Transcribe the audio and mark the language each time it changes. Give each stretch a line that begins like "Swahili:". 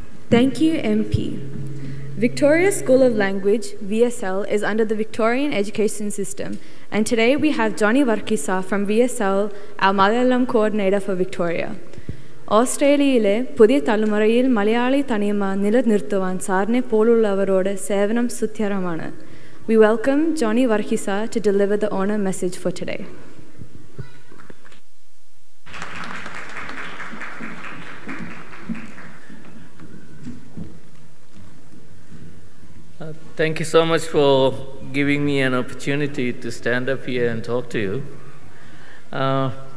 English: Thank you, MP. Victoria School of Language, VSL, is under the Victorian Education System, and today we have Johny Varkey sir from VSL, our Malayalam Coordinator for Victoria.
Malayalam: ഓസ്ട്രേലിയയിലെ പുതിയ തലമുറയിൽ മലയാളി തനിമ നിലനിർത്തുവാൻ സാറിനെ പോലുള്ളവരോട് സേവനം സുത്യരമാണ്.
English: We welcome Johny Varkey sir to deliver the honor message for today. Thank you so much for giving me an opportunity to stand up here and talk to you.